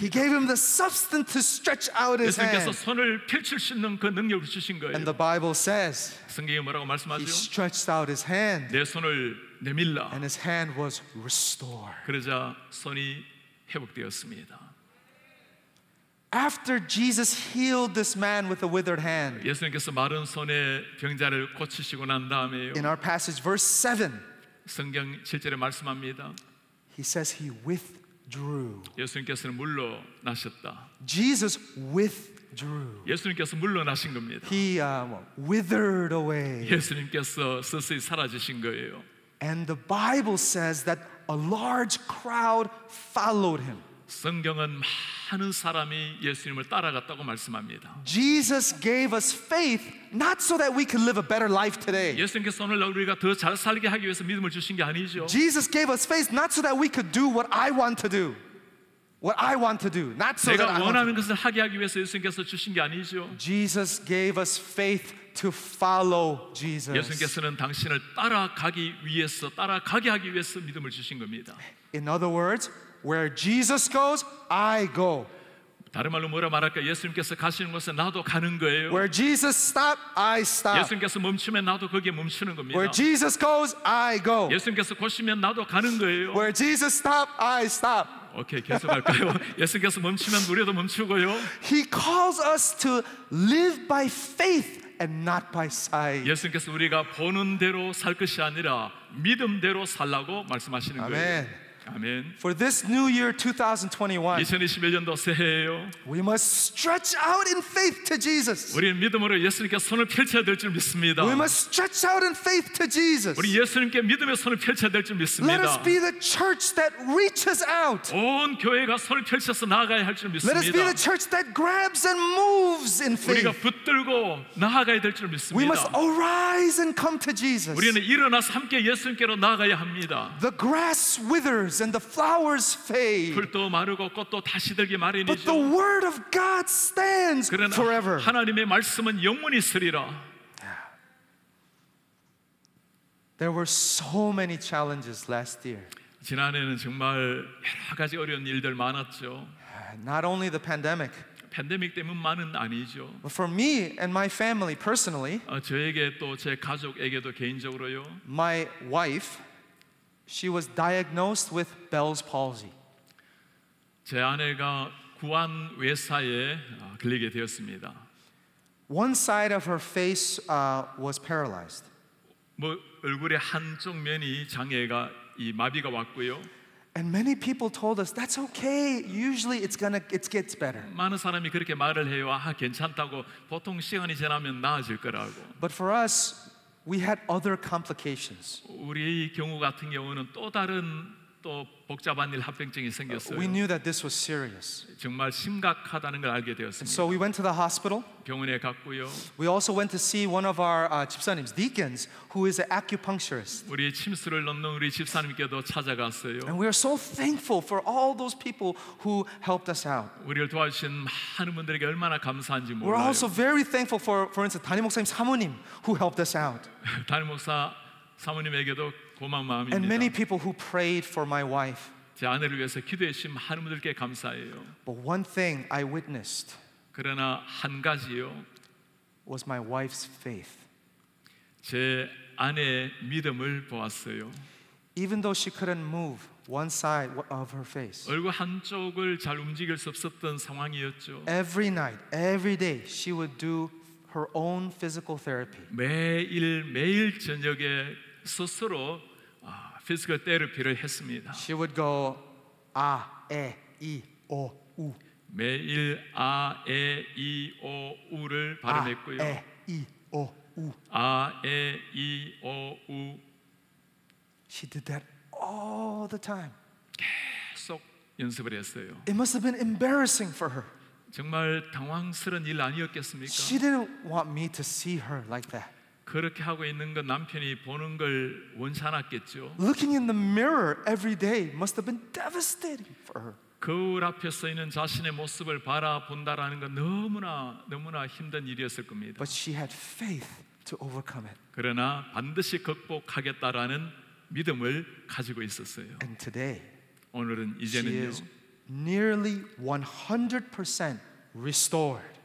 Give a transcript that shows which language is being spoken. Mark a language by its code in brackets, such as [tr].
[en] He gave him the substance to stretch out his hand. [ko] 예수님께서 손을 펼칠 수 있는 그 능력을 주신 거예요. [en] And the Bible says, [ko] 성경이 뭐라고 말씀하죠? [en] He stretched out his hand. [ko] 내 손을 내밀라. [en] And his hand was restored. [ko] 그러자 손이 회복되었습니다. [en] After Jesus healed this man with a withered hand, [ko] 예수님께서 마른 손에 병자를 고치시고 난 다음에요. [en] In our passage, verse 7, [ko] 성경 7절에 말씀합니다. [en] He says he withdrew. [ko] 예수님께서는 물러나셨다. [en] Jesus withdrew. [ko] 예수님께서 물러나신 겁니다. [en] He withered away. [ko] 예수님께서 서서히 사라지신 거예요. [en] And the Bible says that a large crowd followed him. [ko] 성경은 많은 사람이 예수님을 따라갔다고 말씀합니다. [en] Jesus gave us faith not so that we could live a better life today. [ko] 예수님께서 오늘 우리가 더 잘 살게 하기 위해서 믿음을 주신 게 아니죠. [en] Jesus gave us faith not so that we could do what I want to do. What I want to do. Not so that I [ko] 내가 원하는 것을 하게 하기 위해서 예수님께서 주신 게 아니죠. [en] Jesus gave us faith to follow Jesus. [ko] 예수님께서는 당신을 따라가기 위해서 따라가게 하기 위해서 믿음을 주신 겁니다. [en] In other words, where Jesus goes, I go. [ko] 다른 말로 뭐라 말할까? 예수님께서 가시는 곳에 나도 가는 거예요. [en] Where Jesus stop, I stop. [ko] 예수님께서 멈추면 나도 거기에 멈추는 겁니다. [en] Where Jesus goes, I go. [ko] 예수님께서 고시면 나도 가는 거예요. [en] Where Jesus stop, I stop. [ko] 오케이, 계속할까요? 예수님께서 멈추면 우리도 멈추고요. [en] He calls us to live by faith and not by sight. [ko] 예수님께서 우리가 보는 대로 살 것이 아니라 믿음대로 살라고 말씀하시는 [en] Amen. [ko] 거예요. Amen. [en] For this new year 2021, [ko] 2021년도 새해예요. [en] We must stretch out in faith to Jesus. [ko] 우리는 믿음으로 예수님께 손을 펼쳐야 될 줄 믿습니다. [en] We must stretch out in faith to Jesus. [ko] 우리 예수님께 믿음의 손을 펼쳐야 될 줄 믿습니다. [en] Let us be the church that reaches out. [ko] 온 교회가 손을 펼쳐서 나아가야 할 줄 믿습니다. [en] Let us be the church that grabs and moves in faith. [ko] 우리가 붙들고 나아가야 될 줄 믿습니다. [en] We must arise and come to Jesus. [ko] 우리는 일어나서 함께 예수님께로 나아가야 합니다. [en] The grass withers and the flowers fade. [ko] 풀도 마르고 꽃도 다시 들기 마련이죠. [en] But the word of God stands forever. [ko] 하나님의 말씀은 영원히 서리라. [en] There were so many challenges last year. [ko] 지난해는 정말 여러 가지 어려운 일들 많았죠. [en] Not only the pandemic. [ko] 팬데믹 때문만은 아니죠. [en] But for me and my family personally. [ko] 저에게 또 제 가족에게도 개인적으로요. [en] My wife, she was diagnosed with Bell's palsy. [ko] 제 아내가 구안 외사에 걸리게 되었습니다. [en] One side of her face was paralyzed. [ko] 뭐 얼굴의 한쪽 면이 장애가 이 마비가 왔고요. [en] And many people told us that's okay. Usually it gets better. [ko] 많은 사람이 그렇게 말을 해요. 아, 괜찮다고. 보통 시간이 지나면 나아질 거라고. [en] But for us, we had other complications. [ko] 우리 경우 같은 경우는 또 다른 또 복잡한 일 합병증이 생겼어요. [en] We knew that this was serious. [ko] 정말 심각하다는 걸 알게 되었습니다. [en] And so we went to the hospital. [ko] 병원에 갔고요. [en] We also went to see one of our chipsanims, deacons, who is an acupuncturist. [ko] 우리 침수를 넘는 우리 집사님께도 찾아갔어요. [en] And we are so thankful for all those people who helped us out. [ko] 우리를 도와주신 많은 분들에게 얼마나 감사한지 몰라요. [en] We're also very thankful for instance, [ko] 담임 목사님 사모님 [en] who helped us out. [ko] 담임 목사 사모님에게도 고마운 마음입니다. [en] And many people who prayed for my wife. [ko] 제 아내를 위해서 기도해 주신 많은 분들께 감사해요. [en] But one thing I witnessed. [ko] 그러나 한 가지요. [en] Was my wife's faith. [ko] 제 아내의 믿음을 보았어요. [en] Even though she couldn't move one side of her face. [ko] 얼굴 한쪽을 잘 움직일 수 없었던 상황이었죠. [en] Every night, every day she would do her own physical therapy. [ko] 매일 매일 저녁에 스스로 피지컬 테라피를 했습니다. [en] She would go 아, 에, 이, 오, 우. [ko] 매일 아, 에, 이, 오, 우를 발음했고요. 아, 에, 이, 오, 우. 아, 에, 이, 오, 우. [en] She did that all the time. [ko] 계속 연습을 했어요. [en] It must have been embarrassing for her. [ko] 정말 당황스러운 일 아니었겠습니까? [en] She didn't want me to see her like that. [ko] 그렇게 하고 있는 건 남편이 보는 걸 원치 않았겠죠. [en] Looking in the mirror every day must have been devastating for her. [ko] 거울 앞에 서 있는 자신의 모습을 바라본다라는 건 너무나 너무나 힘든 일이었을 겁니다. [en] But she had faith to overcome it. [ko] 그러나 반드시 극복하겠다라는 믿음을 가지고 있었어요. [en] And today, [ko] 오늘은 이제는요. [en] She is nearly 100% restored.